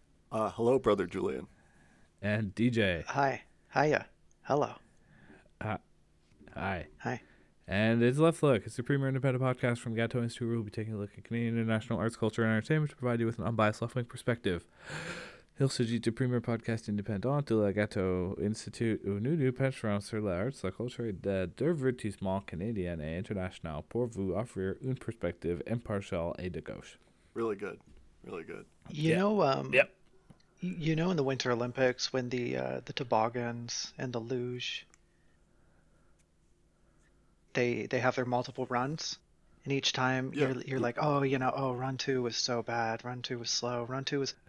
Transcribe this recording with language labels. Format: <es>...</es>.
<en>Hello, brother Julian. And DJ. Hi. Hiya. Hello. Hi. Hi. And it's Left Look, a Supreme Independent Podcast from Gatto Institute. We'll be taking a look at Canadian international arts, culture, and entertainment to provide you with an unbiased left-wing perspective.</en> <fr>Il s'agit de premier podcast indépendant de la Gatto Institute où nous nous pencherons sur l'arts, la culture et le divertissement canadien et international pour vous offrir une perspective impartiale et de gauche.</fr> <en>Really good. Really good. You know, in the Winter Olympics when the toboggans and the luge, they have their multiple runs, and each time you're like, run two was so bad, run two was slow, run two was...</en>